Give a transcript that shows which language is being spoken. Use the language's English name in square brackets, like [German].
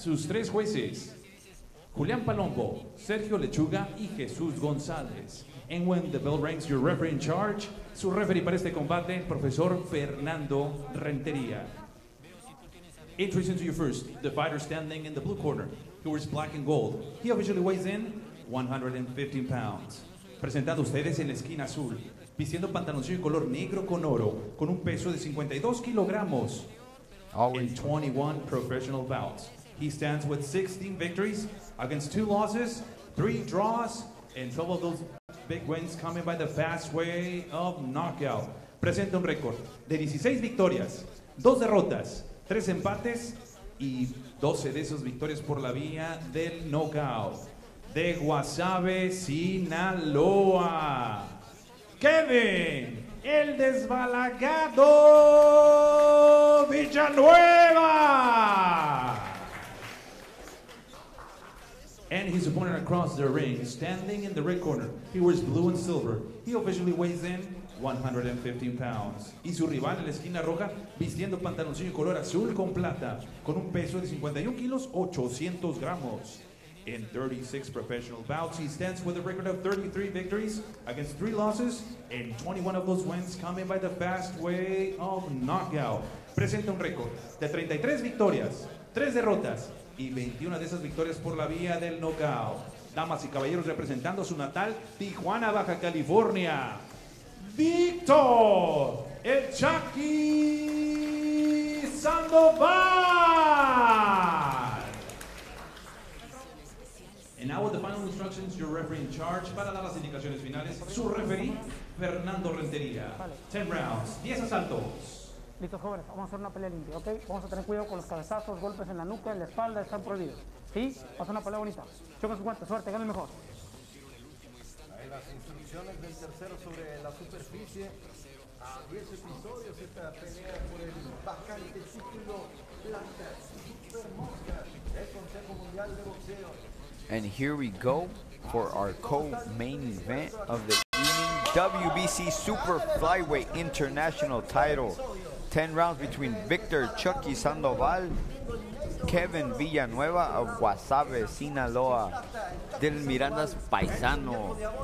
[Spanish] Sus tres jueces, Julián Palombo, Sergio Lechuga y Jesús González. [English] And when the bell rings, your referee in charge, [Spanish] su referee para este combate, profesor [English] Fernando Rentería. Introducing to you first, the fighter standing in the blue corner. He wears black and gold. He officially weighs in 115 pounds. [Spanish] Presentado a ustedes en la esquina azul, vistiendo pantaloncillo de color negro con oro, con un peso de 52 kilogramos. [English] In 21 professional bouts, he stands with 16 victories against 2 losses, 3 draws, and 12 of those big wins coming by the fast way of knockout. [Spanish] Presenta un récord de 16 victorias, 2 derrotas, 3 empates, y 12 de esas victorias por la vía del knockout. De Guasave, Sinaloa. Kevin, el desbalagado Villanueva. [English] And his opponent across the ring, standing in the red corner. He wears blue and silver. He officially weighs in 115 pounds. [Spanish] Y su rival en la esquina roja, vistiendo pantaloncillo color azul con plata, con un peso de 51 kilos, 800 gramos. [English] In 36 professional bouts, he stands with a record of 33 victories against 3 losses, and 21 of those wins coming by the fast way of knockout. [Spanish] Presenta un récord de 33 victorias, 3 derrotas, y 21 de esas victorias por la vía del knockout. Damas y caballeros, representando a su natal Tijuana, Baja California. Víctor El Chucky Sandoval. [English] And now with the final instructions, your referee in charge. [Spanish] Para dar las indicaciones finales, su referee, Fernando Rentería. 10 rounds, 10 asaltos. Listo, jóvenes, vamos a hacer una pelea limpia, ¿ok? Vamos a tener cuidado con los cabezazos, golpes en la nuca, en la espalda, están prohibidos. ¿Sí? Vamos a hacer una pelea bonita. Choca su guante, suerte, gane mejor. Ahí las instrucciones del tercero sobre la superficie. A 10 episodios esta pelea por el vacante título planta Super Mosca del Consejo Mundial de Boxeo. [English] And here we go for our co-main event of the WBC Super Flyweight International title. 10 rounds between Victor Chucky Sandoval, Kevin Villanueva of Guasave, Sinaloa, Dylan Miranda's paisano.